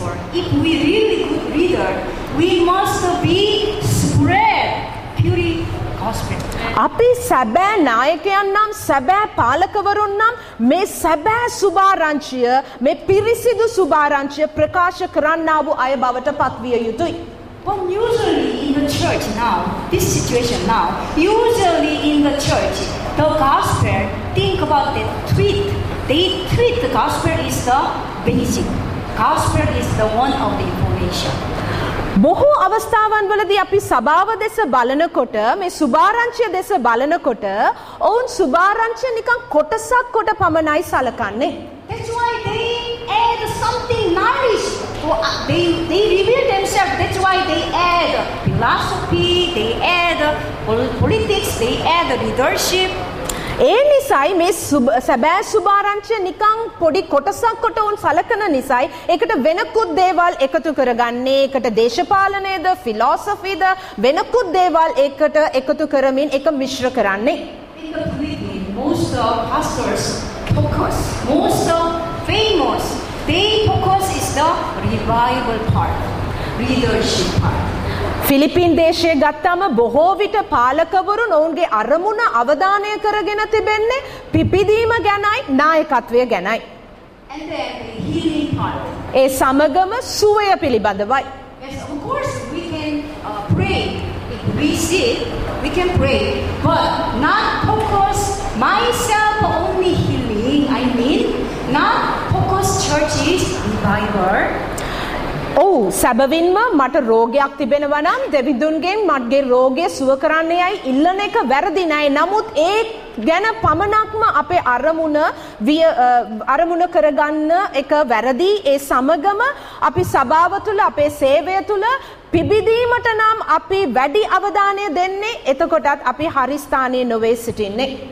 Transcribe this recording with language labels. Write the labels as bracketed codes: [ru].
[en] If we really good reader, we must be spread pure gospel. [si] අපි සැබෑ නායකයන් නම් සැබෑ පාලකවරුන් නම් මේ සැබෑ සුභාරංචිය මේ පිරිසිදු සුභාරංචිය ප්‍රකාශ කරන්නා වූ අය බවට පත්විය යුතුයි. [en] Well, usually in the church now, this situation now, usually in the church, the gospel, think about the tweet. They tweet the gospel is the basic. Gospel is the one of the information. [si] බොහෝ අවස්ථාවන් වලදී අපි සභාව දෙස බලනකොට මේ සුභාරංචිය දෙස බලනකොට ඔවුන් සුභාරංචිය නිකන් කොටසක් කොට පමණයි සලකන්නේ. [en] That's why they add something nice. They reveal themselves. That's why they add philosophy, they add politics, they add leadership. [si] ඒ නිසායි මේ සැබෑ සුභාරංචිය නිකන් පොඩි කොටසක් කොට උන් සලකන නිසායි ඒකට වෙනකුත් දේවල් එකතු කරගන්නේ ඒකට දේශපාලනයේද ෆිලොසොෆිද වෙනකුත් දේවල් ඒකට එකතු කරමින් ඒක මිශ්‍ර කරන්නේ [en] most of pastors focus most of famous they focus is the revival part leadership part [si] ෆිලිපින් දේශයේ ගත්තම බොහෝ විට පාලකවරුන් ඔවුන්ගේ අරමුණ අවධානය කරගෙන තිබෙන්නේ පිපිදීම ගැනයි නායකත්වය ගැනයි. [en] And then healing part. [si] ඒ සමගම සුවය පිළිබඳවයි. [en] Yes, of course we can pray. If we see, we can pray. But not focus myself only healing. I mean, not focus churches revival. [si] ඔව් සැබවින්ම මට රෝගයක් තිබෙනවා නම් දෙවිඳුන්ගෙන් මගේ රෝගය සුව කරන්න යයි ඉල්ලන එක වැරදි නැහැ. නමුත් ඒ ගැන පමණක්ම අපේ අරමුණ විය අරමුණ කරගන්න එක වැරදි ඒ සමගම අපි සබාව තුළ අපේ සේවය තුළ පිබිදීමට නම් අපි වැඩි අවධානය දෙන්නේ එතකොටත් අපි හරි ස්ථානයේ නොවේ සිටින්නේ